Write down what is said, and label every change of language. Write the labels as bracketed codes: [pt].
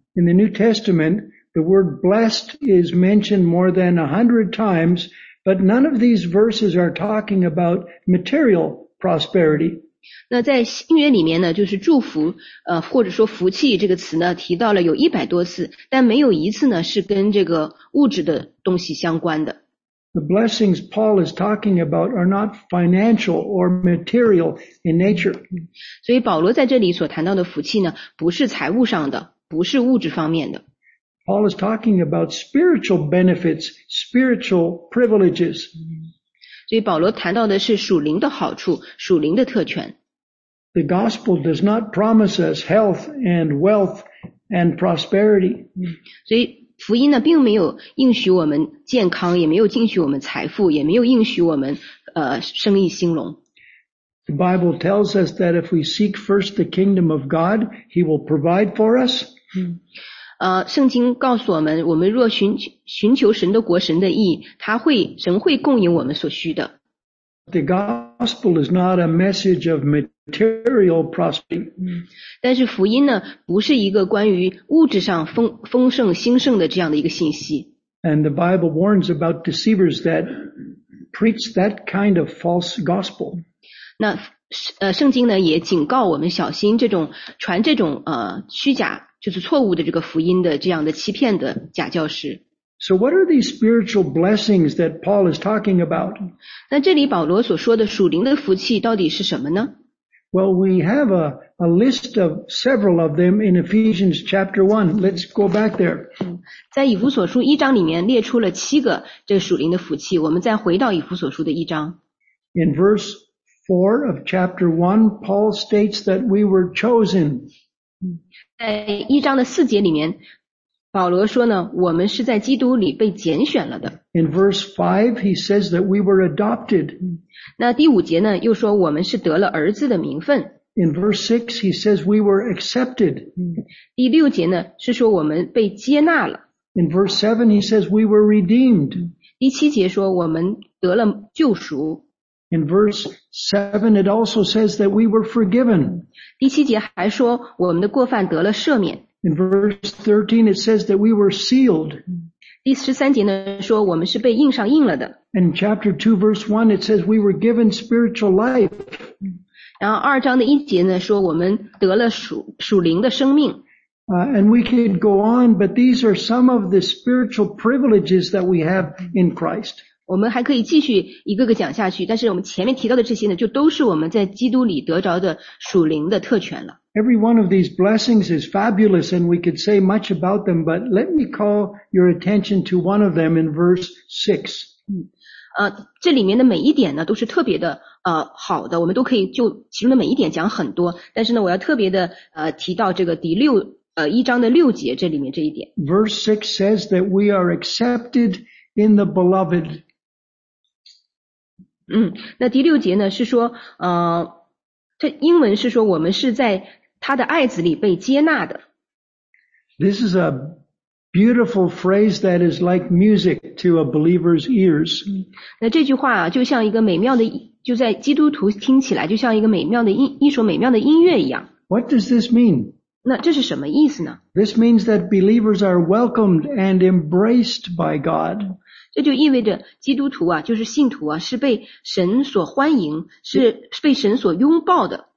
[en] In the New Testament, the word blessed is mentioned more than 100 times, but none of these verses are talking about material prosperity. [zh] 那在新约里面呢，就是祝福，或者说福气这个词呢，提到了有100多次，但没有一次呢，是跟这个物质的东西相关的。 [en] The blessings Paul is talking about are not financial or material in nature. [zh] 所以保罗在这里所谈到的福气呢，不是财务上的，不是物质方面的。 [en] Paul is talking about spiritual benefits, spiritual privileges. [zh] 所以保罗谈到的是属灵的好处，属灵的特权。 [en] The gospel does not promise us health and wealth and prosperity. [zh] 所以福音呢，并没有应许我们健康，也没有应许我们财富，也没有应许我们生意兴隆。 [en] The Bible tells us that if we seek first the kingdom of God, He will provide for us. [zh] 圣经告诉我们，我们若寻求神的国、神的义，神会供应我们所需的。 [en] The gospel is not a message of material prosperity. [zh] 但是福音呢，不是一个关于物质上丰盛、兴盛的这样的一个信息。 [en] And the Bible warns about deceivers that preach that kind of false gospel. [zh] 那圣经呢，也警告我们小心这种传这种虚假，就是错误的这个福音的这样的欺骗的假教师。 [en] So what are these spiritual blessings that Paul is talking about? [zh] 那这里保罗所说的属灵的福气到底是什么呢？ [en] Well, we have a list of several of them in Ephesians chapter 1. Let's go back there. [zh] 在以弗所书一章里面列出了七个这属灵的福气，我们再回到以弗所书的一章。 [en] In verse 4 of chapter 1, Paul states that we were chosen. [zh] 在一章的四节里面，保罗说呢，我们是在基督里被拣选了的。 [en] In verse 5, he says that we were adopted. [zh] 那第五节呢，又说我们是得了儿子的名分。 [en] In verse 6, he says we were accepted. [zh] 第六节呢，是说我们被接纳了。 [en] In verse 7, he says we were redeemed. [zh] 第七节说我们得了救赎。 [en] In verse 7, it also says that we were forgiven. [zh] 第七节还说我们的过犯得了赦免。 [en] In verse 13, it says that we were sealed. [zh] 第13节呢，说我们是被印上印了的。 [en] In chapter 2, verse 1, it says we were given spiritual life. [zh] 然后二章的一节呢，说我们得了属灵的生命。 [en] And we could go on, but these are some of the spiritual privileges that we have in Christ. [zh] 我们还可以继续一个个讲下去，但是我们前面提到的这些呢，就都是我们在基督里得着的属灵的特权了。 [en] Every one of these blessings is fabulous and we could say much about them, but let me call your attention to one of them in verse 6. [zh] 这里面的每一点呢都是特别的好的，我们都可以就其中的每一点讲很多，但是呢我要特别的提到这个第六一章的六节这里面这一点。 [en] Verse 6 says that we are accepted in the beloved. [zh] 那第六节呢是说这英文是说我们是在他的爱子里被接纳的。 [en] This is a beautiful phrase that is like music to a believer's ears. [zh] 那这句话啊就像一个美妙的就在基督徒听起来就像一个美妙的一首美妙的音乐一样。 [en] What does this mean? [zh] 那这是什么意思呢? [en] This means that believers are welcomed and embraced by God. [zh] 这就意味着基督徒啊就是信徒啊是被神所欢迎是被神所拥抱的。